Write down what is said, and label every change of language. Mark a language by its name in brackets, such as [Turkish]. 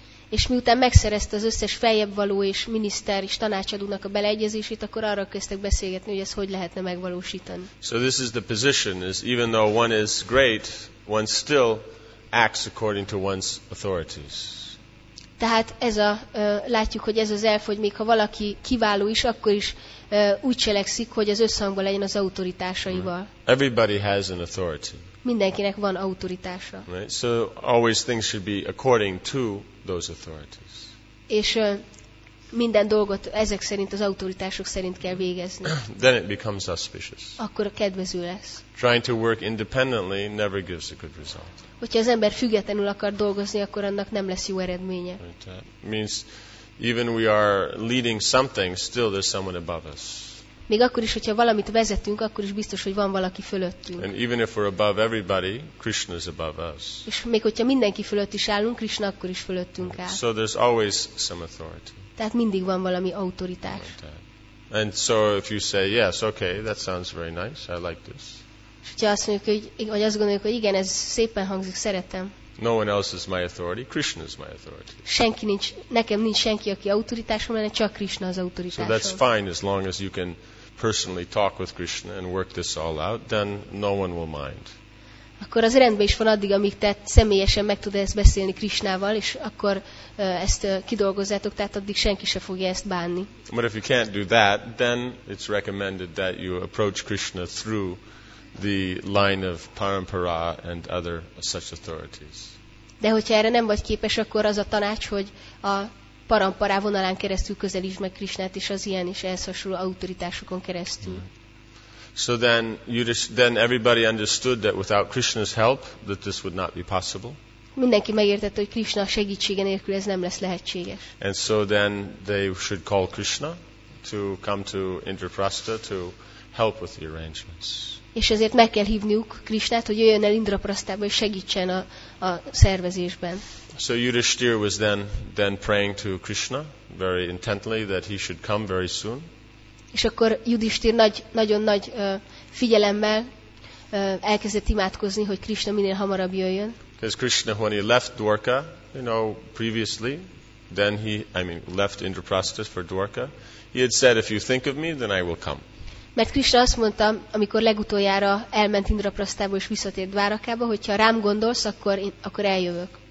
[Hungarian] És miután megszerezte az összes feljebb való és miniszter és tanácsadónak a beleegyezését, akkor arra kezdtek beszélgetni, hogy ezt hogy lehetne megvalósítani. [English] So this is the position, is even though one is great, one still acts according to one's authorities. [Hungarian] Tehát ez a látjuk, hogy ez az elf, hogy még ha valaki kiváló is, akkor is úgy cselekszik, hogy az összhangban legyen az autoritásaival. [English] Everybody has an authority. [Hungarian] Mindenkinek van autoritása. [English] Right? So always things should be according to those authorities. [Hungarian] És minden dolgot ezek szerint, az autoritások szerint kell végezni. [English] Then it becomes auspicious. [Hungarian] Akkor kedvező lesz. [English] Trying to work independently never gives a good result. [Hungarian] Hogyha az ember függetlenül akar dolgozni, akkor annak nem lesz jó eredménye. [English] Right. Means even we are leading something, still there's someone above us. [Hungarian] Még akkor is, hogyha valamit vezetünk, akkor is biztos, hogy van valaki fölöttünk. [English] And even if we're above everybody, Krishna is above us. [Hungarian] És még hogyha mindenki fölött is állunk, Krishna akkor is fölöttünk áll. [English] So there's always some authority. [Hungarian] Tehát mindig van valami autoritás. [English] And so if you say yes, okay, that sounds very nice, I like this. [Hungarian] És hogyha azt mondjuk, hogy azt gondoljuk, hogy igen, ez szépen hangzik, szeretem. [English] No one else is my authority. Krishna is my authority. [Hungarian] Senki nincs, nekem nincs senki, aki autoritásom lenne, csak Krishna az autoritásom. [English] So that's fine as long as you can personally talk with Krishna and work this all out, then no one will mind. [Hungarian] Akkor az rendben is van addig, amíg te személyesen meg tudod ezt beszélni Krishnával, és akkor ezt kidolgozzátok, tehát addig senki se fogja ezt bánni. [English] But if you can't do that, then it's recommended that you approach Krishna through the line of parampara and other such authorities. [Hungarian] De hogyha erre nem vagy képes, akkor az a tanács, hogy a parampara vonalán keresztül közelítsd meg Krishnát, és az ilyen is ehhez hasonló autoritásokon keresztül. [English] So then everybody understood that without Krishna's help that this would not be possible. [Hungarian] Mindenki megértette, hogy Krishna segítsége nélkül ez nem lesz lehetséges. [English] And so then they should call Krishna to come to Indraprastha to help with the arrangements. [Hungarian] És ezért meg kell hívniuk Krishnát, hogy jöjjön el Indraprasthába, és segítsen a szervezésben. [English] So Yudhishthira was then praying to Krishna very intently that he should come very soon. [Hungarian] És akkor Yudhishthira nagyon nagy figyelemmel elkezdett imádkozni, hogy Krishna minél hamarabb jöjjön. [English] Because Krishna, when he left Dwarka, you know, previously, then left Indraprastha for Dwarka, he had said, if you think of me, then I will come. [Hungarian] Mert Krishna azt mondta, amikor legutoljára elment Indraprasthába és visszatért Dvárakába, hogy ha rám gondolsz, akkor eljövök.